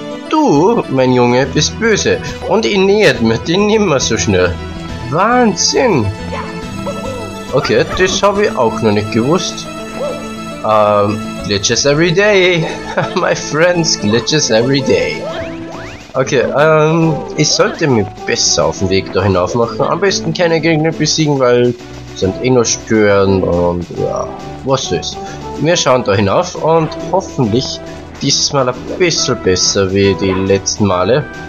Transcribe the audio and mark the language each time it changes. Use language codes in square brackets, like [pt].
[de] Du, mein Junge, bist böse. Und ich nähert mir den nimmer so schnell. Wahnsinn! Okay, das habe ich auch noch nicht gewusst. [en] Glitches every day. My friends, glitches every day. [de] Okay, ich sollte mich besser auf den Weg da hinauf machen. Am besten keine Gegner besiegen, weil sind eh noch stören und ja, was soll's. Wir schauen da hinauf und hoffentlich dieses Mal ein bisschen besser wie die letzten Male.